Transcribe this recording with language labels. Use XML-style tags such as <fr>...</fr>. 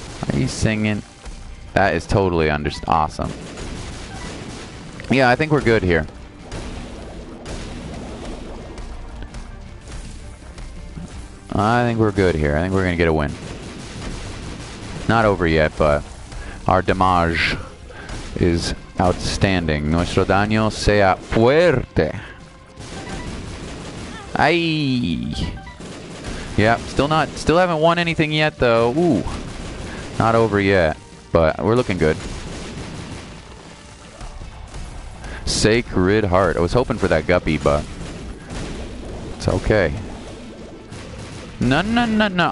<en>Are you singing? That is totally awesome. Yeah, I think we're good here. I think we're going to get a win. Not over yet, but our damage is outstanding.</en> <es>Nuestro daño sea fuerte. Ay.</es> <en>Yeah, still haven't won anything yet, though. Ooh. Not over yet, but we're looking good. Sacred Heart. I was hoping for that guppy, but it's okay. No, no, no, no.</en>